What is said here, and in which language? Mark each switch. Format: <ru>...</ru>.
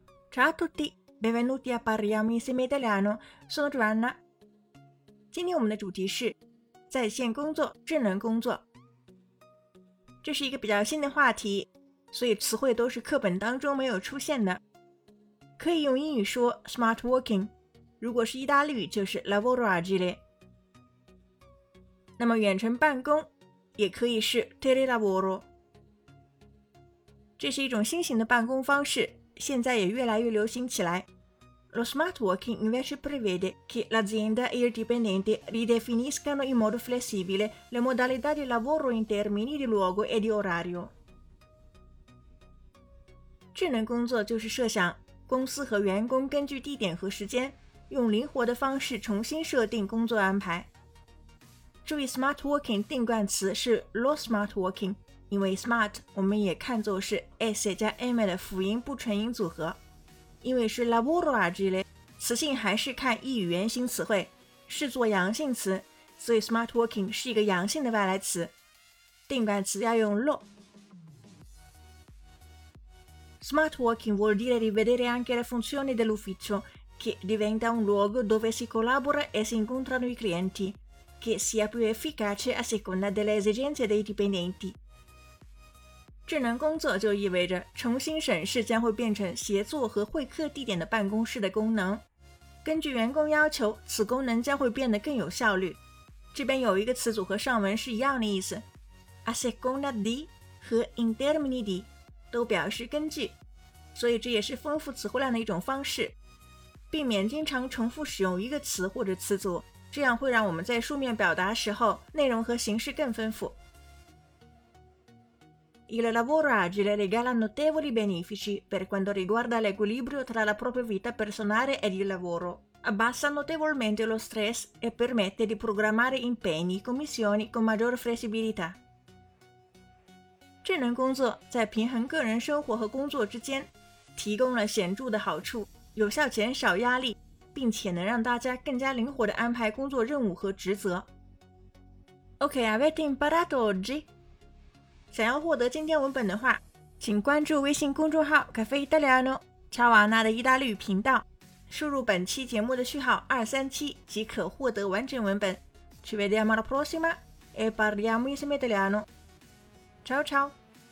<it>Ciao a tutti, benvenuti a Parliamo insieme italiano, sono Joanna.</it> <zh>今天我们的主题是在线工作、智能工作。这是一个比较新的话题，所以词汇都是课本当中没有出现的。可以用英语说 smart working， 如果是意大利语就是 lavoro agile。那么远程办公也可以是 telelavoro。这是一种新型的办公方式，现在也越来越流行起来。</zh> <it>Lo smart working invece prevede che l'azienda e il dipendente ridefiniscano in modo flessibile le modalità di lavoro in termini di luogo e di orario。</it> <zh>智能工作就是设想公司和员工根据地点和时间，用灵活的方式重新设定工作安排。注意 smart working 定冠词是 lo smart working。因为 smart 我们也看作是 s 加 m 的辅音不纯音组合，因为是 lavoro agile， 词性还是看意语原型词汇，视作阳性词，所以 smart working 是一个阳性的外来词，定冠词要用 lo。</zh> <it>Smart working vuol dire rivedere anche le funzioni dell'ufficio che diventa un luogo dove si collabora e si incontrano i clienti che sia più efficace a seconda delle esigenze dei dipendenti。</it> <zh>智能工作就意味着重新审视将会变成协作和会客地点的办公室的功能。根据员工要求，此功能将会变得更有效率。这边有一个词组和上文是一样的意思， a seconda di 和 in termini di 都表示根据，所以这也是丰富词汇量的一种方式，避免经常重复使用一个词或者词组，这样会让我们在书面表达时候内容和形式更丰富。</zh> <it>Il lavoro agile regala notevoli benefici per quanto riguarda l'equilibrio tra la propria vita personale ed il lavoro. Abbassa notevolmente lo stress e permette di programmare impegni e commissioni con maggior flessibilità.</it> <zh>智能工作在平衡个人生活和工作之间提供了显著的好处，有效减少压力，并且能让大家更加灵活地安排工作任务和职责。</zh> <it>OK, avete imparato oggi?</it> <zh>想要获得今天文本的话，请关注微信公众号 Cafe Italiano 乔瓦娜的意大利语频道，输入本期节目的序号237即可获得完整文本。</zh> <it>Ci vediamo alla prossima e parliamo insieme italiano. Ciao ciao.</it>